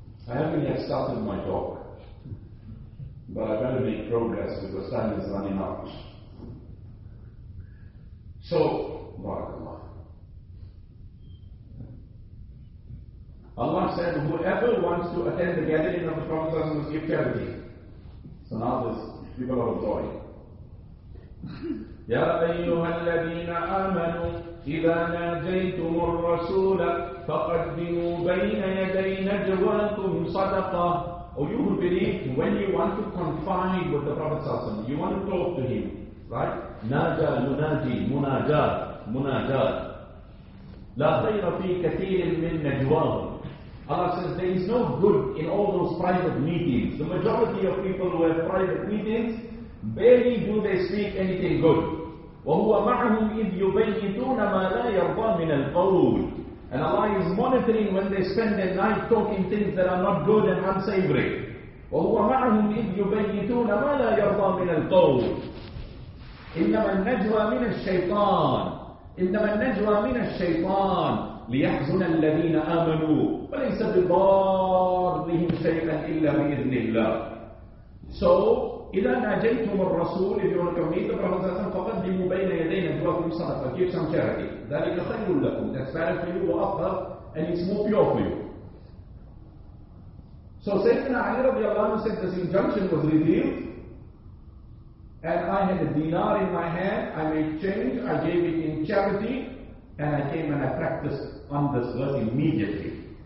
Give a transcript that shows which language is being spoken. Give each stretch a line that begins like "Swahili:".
English: I haven't yet started my talk, but I better make progress because time is running out. So, barakallah. Allah said, whoever wants to attend the gathering of the Prophet must give charity. So now there's people out of joy.
Arabic: يا أيها الذين آمنوا إذا ناجيتم الرسول فقدموا بين يدي نجواكم صدقة.
English: Oh, you who believe, when you want to confide with the Prophet صلى الله عليه وسلم, you want to talk to him, right?
Arabic: ناجى مناجي مناجاة مناجاة لا خير في كثير من نجواهم.
English: Allah says there is no good in all those private meetings. The majority of people who have private meetings, barely do they speak anything good.
Arabic: وَهُوَ مَعْهُمْ إِذْ يُبَيِّتُونَ مَا لَا يَرْضَى مِنَ الْقَوْلِ.
English: And Allah is monitoring when they spend their night talking things that are not good and unsavory.
Arabic: وَهُوَ مَعْهُمْ إِذْ يُبَيِّتُونَ مَا لَا يَرْضَى مِنَ الْقَوْلِ. إِنَّمَا النَّجْوَى مِنَ الشَّيْطَانِ إِنَّمَا النَّجْوَى مِنَ الشَّيْطَانِ لِيَحْزُنَ الَّذِينَ آمَنُوا وَلَيْسَ بِضَارِّهِمْ شَيْئًا إِلَّا بِإِذْنِ اللَّهِ.
English: So,
Arabic: إِذَا نَاجَيْتُمُ الرَّسُولِ
English: if you want to meet the Prophet صلى الله عليه وسلم
Arabic: فَقَدِّمُوا بَيْنَ يَدَيْنَ جُوَاكُمْ صَدَقَةً.
English: Give some charity.
Arabic: ذَلِكَ خَيْرٌ لَكُمْ.
English: That's better for you,
Arabic: وَأَطْهَرُ,
English: and it's more pure for you. So Sayyidina Ali رضي الله عنه said this injunction was revealed. And I had a dinar in my hand, I made change, I gave it in charity, and I came and I practiced on this verse immediately.